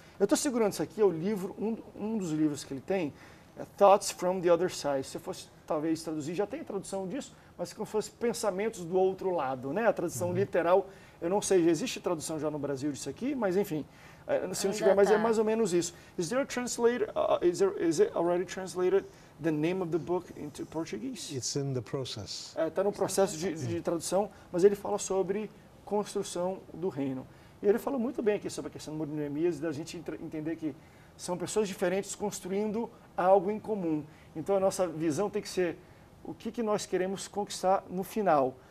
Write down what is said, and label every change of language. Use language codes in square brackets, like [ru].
[pt] Eu estou segurando isso aqui, é o livro, um dos livros que ele tem, é [en] Thoughts from the Other Side. [pt] Se eu fosse, talvez, traduzir, já tem a tradução disso, mas como fosse Pensamentos do Outro Lado, né? A tradução literal. Eu não sei, existe tradução já no Brasil disso aqui, mas enfim, se não tiver, mas é mais ou menos isso. [en] Is there a translator, is it already translated the name of the book into Portuguese? It's in the process. [pt] Está no processo de tradução, mas ele fala sobre construção do reino. E ele fala muito bem aqui sobre a questão do muro de Neemias e da gente entender que são pessoas diferentes construindo algo em comum. Então a nossa visão tem que ser o que nós queremos conquistar no final.